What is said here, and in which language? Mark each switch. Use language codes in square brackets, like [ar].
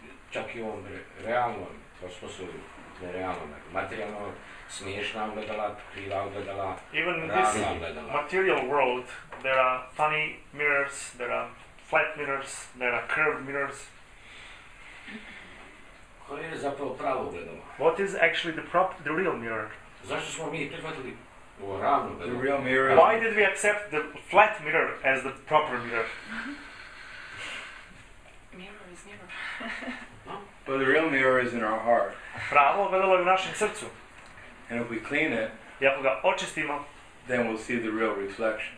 [hr] Čak i ovom realnom, to smo su nerealnom, materijalnom, smiješna ogledala, kriva ogledala, [en] even in this [hr] ogledala. [en] Material world, there are funny mirrors, there are flat mirrors, there are curved mirrors. [hr] Koje je zapravo pravo ogledalo? [en] What is actually the real mirror? [hr] Zašto smo mi prihvatili ovo ravno ogledalo? [en] The real mirror. Why did we accept the flat mirror as the proper mirror? Mirror is mirror. No? But the real mirror is in our heart. [hr] Pravo ogledalo je u našem srcu. [en] And if we clean it, [hr] i ako ga očistimo, [en] then we'll see the real reflection.